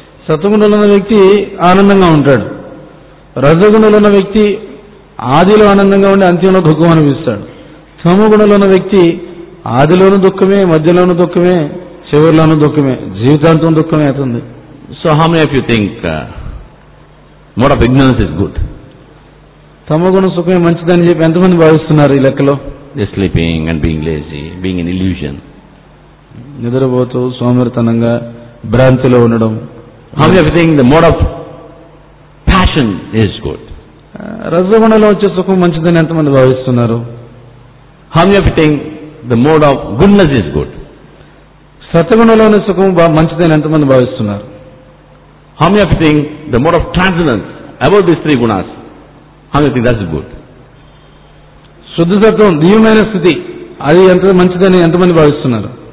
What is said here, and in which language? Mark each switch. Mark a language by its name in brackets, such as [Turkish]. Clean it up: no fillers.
[Telugu] సత్గుణంలో ఉన్న వ్యక్తి ఆనందంగా ఉంటాడు, రజగుణంలో ఉన్న వ్యక్తి ఆదిలో ఆనందంగా ఉండి అంత్యంలో దుఃఖం అనిపిస్తాడు, తమగుణంలో ఉన్న వ్యక్తి ఆదిలోనూ దుఃఖమే, మధ్యలోనూ దుఃఖమే, చివరిలోనూ దుఃఖమే, జీవితాంతం దుఃఖమే అవుతుంది. [English] So how many of you think mode of ignorance is good? [Telugu] Tamaguna సుఖమే మంచిదని చెప్పి ఎంతమంది భావిస్తున్నారు ఈ లెక్కలో? [English] sleeping and being lazy, being in illusion, [Telugu] నిద్రపోతూ సోమరితనంగా భ్రాంతిలో ఉండడం. [English] How do you think the mode of passion is good? [Telugu] రజగుణంలో వచ్చే సుఖం మంచిదని ఎంతమంది భావిస్తున్నారు? [English] How do you think the mode of goodness is good? [Telugu] సత్గుణంలోని సుఖం మంచిదని ఎంతమంది భావిస్తున్నారు? [English] How do you think the mode of transcendence above these three gunas? How do you think that's good? [Telugu] శుద్ధ సత్వం, దివ్యమైన స్థితి, అది ఎంత మంచిదని ఎంతమంది భావిస్తున్నారు?